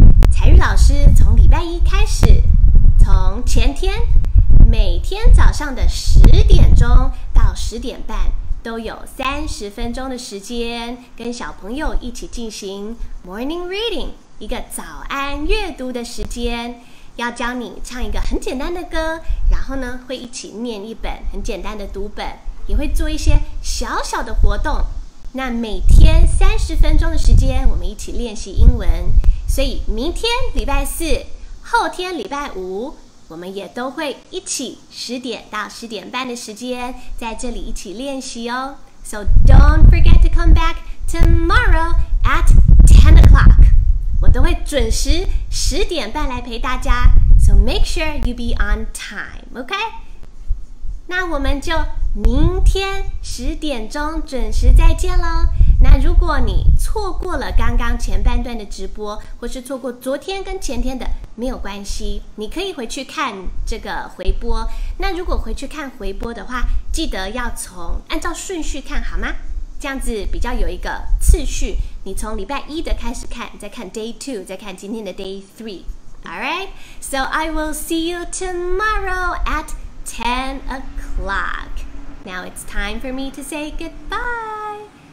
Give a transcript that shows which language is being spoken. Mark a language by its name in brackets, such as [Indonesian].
[Chinese] 彩玉老师从礼拜一开始，从前天每天早上的10点钟到10点半都有30分钟的时间跟小朋友一起进行 Morning Reading， 一个早安阅读的时间，要教你唱一个很简单的歌，然后呢会一起念一本很简单的读本，也会做一些小小的活动。那每天30分钟的时间我们一起练习英文，所以明天礼拜四后天礼拜五我们也都会一起10点到10点半的时间在这里一起练习哦。 [English] So don't forget to come back tomorrow at 10 o'clock， [Chinese] 我都会准时10点半来陪大家， [English] So make sure you be on time, OK? [Chinese] 那我们就明天10点准时再见咯。那如果你错过了刚刚前半段的直播，或是错过昨天跟前天的，没有关系，你可以回去看这个回播。那如果回去看回播的话，记得要从按照顺序看好吗？这样子比较有一个次序，你从礼拜一的开始看，再看 day 2， 再看今天的 day 3。 [English] Alright, so I will see you tomorrow at 10 o'clock. Now it's time for me to say goodbye.